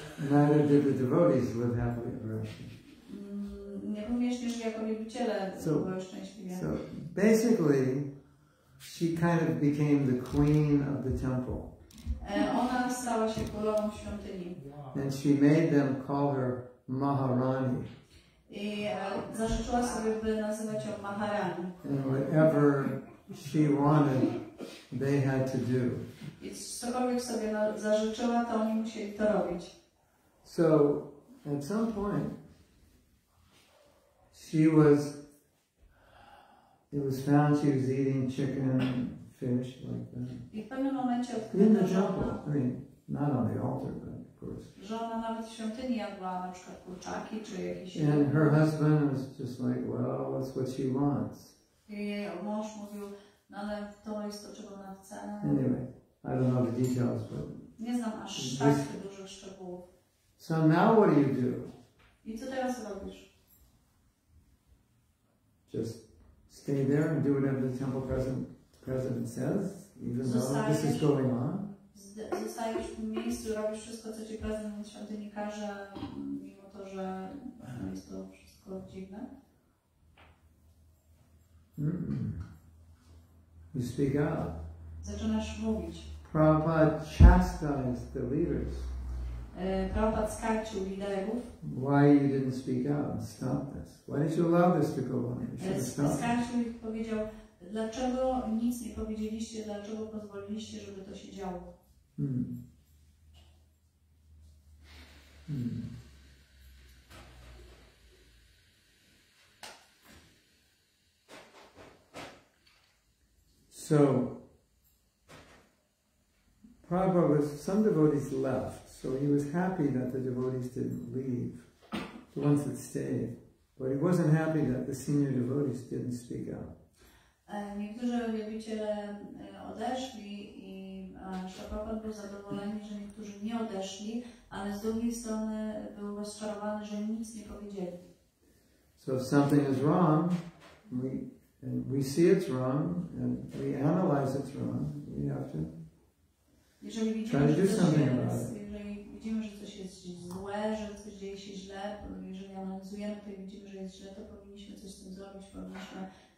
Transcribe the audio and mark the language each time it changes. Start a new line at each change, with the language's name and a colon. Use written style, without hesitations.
English: Neither did the devotees live happily ever after.
Polish: Nie również nie żyli jako wielbiciele długo i szczęśliwie.
English: So basically, she kind of became the queen of the temple.
Polish: Ona stała się królową w świątyni.
English: And she made them call her Maharani.
Polish: I zażyczyła sobie, by nazywać ją Maharani.
English: And whatever she wanted, they had to do.
Polish: I cokolwiek sobie zażyczyła, to oni musieli to robić.
English: So, at some point, she was, it was found she was eating chicken and fish like that.
Polish: I w pewnym momencie odkryto, że ona,
English: I mean, not on the altar, but
Polish: żona nawet w świątyni jadła na przykład kurczaki czy jakieś.
English: And her husband was just like, well, that's what she wants.
Polish: I jej mąż mówił, no ale to jest to, czego ona chce.
English: Anyway, I don't know the details, but
Polish: nie znam aż this... tak dużych szczegółów.
English: So now what do you do?
Polish: I co teraz robisz?
English: Just stay there and do whatever the temple president says, even though this is going on.
Polish: Zostajesz w miejscu, robisz wszystko, co ci prezydent świątyni każe, mimo to, że jest to wszystko dziwne.
English: You speak out.
Polish: Zaczynasz mówić.
English: Prabhupada chastised the leaders.
Polish: Prabhupada skarcił liderów.
English: Why you didn't speak out and stop this? Why did you allow this to go on?
Polish: Skarcił ich, powiedział, dlaczego nic nie powiedzieliście, dlaczego pozwoliliście, żeby to się działo?
English: So Prabhupada was, some devotees left, so he was happy that the devotees didn't leave, the ones that stayed, but he wasn't happy that the senior devotees didn't speak out.
Polish: Niektórzy wielbiciele odeszli i Prabhupada był zadowolony, że niektórzy nie odeszli, ale z drugiej strony był rozczarowany, że nic nie powiedzieli.
English: So if something is wrong, we see it's wrong and we analyze it's wrong, we have to try to do something about it.
Polish: Jeżeli widzimy, że coś jest złe, że coś dzieje się źle, jeżeli analizujemy to i widzimy, że jest źle, to powinniśmy coś z tym zrobić, powinniśmy coś